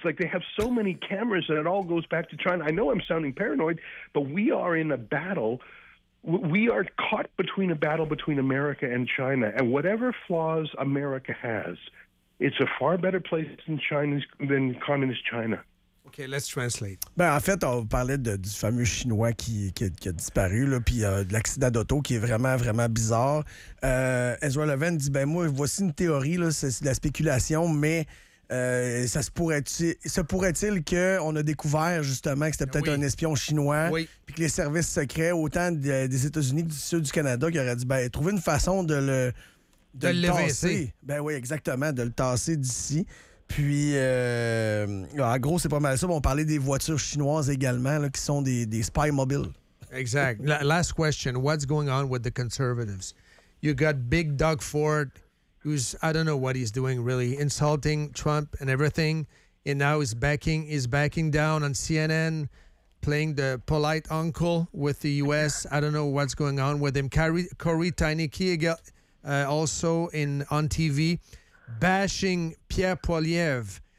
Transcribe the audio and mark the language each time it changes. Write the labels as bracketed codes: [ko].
[en] Like, they have so many cameras that it all goes back to China. I know I'm sounding paranoid, but we are in a battle. We are caught between a battle between America and China, and whatever flaws America has, it's a far better place in China than communist China. Okay, let's translate. [fr] Ben, en fait, on parlait du fameux Chinois qui a disparu, puis de l'accident d'auto qui est vraiment, vraiment bizarre. Ezra Levin dit, ben moi, voici une théorie, là, c'est de la spéculation, mais se pourrait-il qu'on a découvert justement que c'était peut-être un espion chinois, puis que les services secrets, autant des États-Unis que du sud du Canada, qui auraient dit, ben, trouver une façon de le tasser. Ben oui, exactement, de le tasser d'ici. Puis, en gros, c'est pas mal ça. On parlait des voitures chinoises également, là, qui sont des spy mobiles. [en] Exact. Last question. What's going on with the conservatives? You got Big Doug Ford, who's, I don't know what he's doing, really, insulting Trump and everything. And now he's backing down on CNN, playing the polite uncle with the U.S. I don't know what's going on with him. Corey Tainiki, also on TV, bashing Pierre Poilievre.